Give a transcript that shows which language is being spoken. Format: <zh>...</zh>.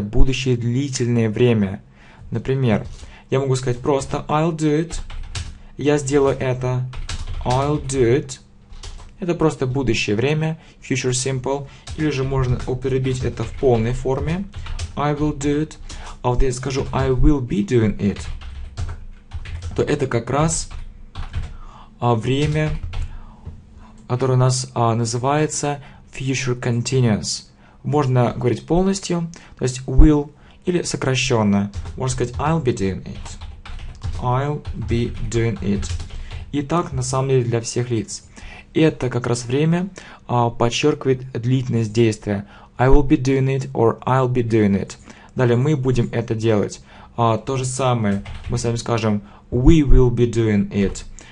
<ru>Будущее длительное время. Например, я могу сказать просто</ru> <en>I'll do it.</en> <ru>Я сделаю это.</ru> <en>I'll do it.</en> <ru>Это просто будущее время.</ru> <en>Future simple.</en> <ru>Или же можно употребить это в полной форме.</ru> <en>I will do it.</en> <ru>А вот я скажу</ru> <en>I will be doing it.</en> <ru>То это как раз время, которое у нас называется</ru> <en>future continuous.</en> <ru>Можно говорить полностью. То есть will. Или сокращенно, можно сказать</ru> <en>I'll be doing it. I'll be doing it.</en> <ru>И так, на самом деле, для всех лиц. Это как раз время подчеркивает длительность действия.</ru> <en>I will be doing it or I'll be doing it.</en> <ru>Далее, мы будем это делать. То же самое мы с вами скажем</ru> <en>We will be doing it.</en>